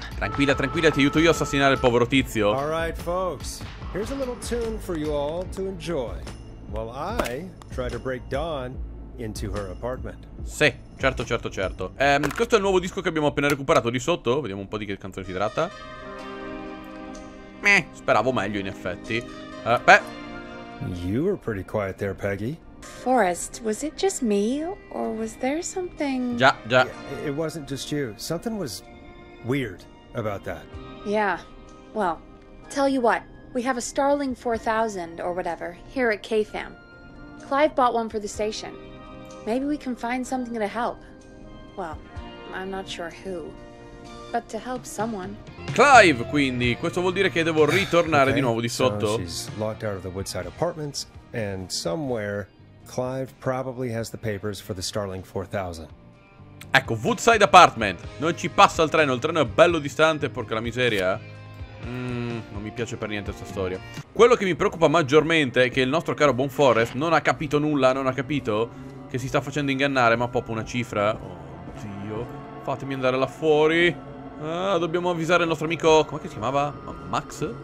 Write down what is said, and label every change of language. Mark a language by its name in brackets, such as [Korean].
[Italian] Tranquilla, tranquilla, ti aiuto io a assassinare il povero tizio. [English] All right, folks. Here's a little tune for you all to enjoy. While I try to break Don into her apartment. [Italian] Sì, certo, certo, certo. Questo è il nuovo disco che abbiamo appena recuperato di sotto. Vediamo un po' di che canzone si tratta. Meh, speravo meglio in effetti. Beh. [English] You were pretty quiet there, Peggy. Forrest, was it just me or was there something? [Italian] Già, già. [English] Yeah, it wasn't just you. Something was weird about that. Yeah. Well, tell you what. We have a Starling 4000 or whatever here at KFAM. Clive bought one for the station. Maybe we can find something to help. Well, I'm not sure who. But to help someone. [Italian] Clive, quindi, questo vuol dire che devo ritornare okay, di nuovo di sotto. [English] So she's locked out of the Woodside apartments, and somewhere, Clive probably has the papers for the Starling 4000. [Italian] Ecco, Woodside apartment. Non ci passa il treno è bello distante, porca la miseria. Non mi piace per niente questa storia. Quello che mi preoccupa maggiormente è che il nostro caro Bon Forrest non ha capito nulla, non ha capito che si sta facendo ingannare, ma proprio una cifra. Oddio, fatemi andare là fuori. Ah, dobbiamo avvisare il nostro amico... Com'è che si chiamava? Max?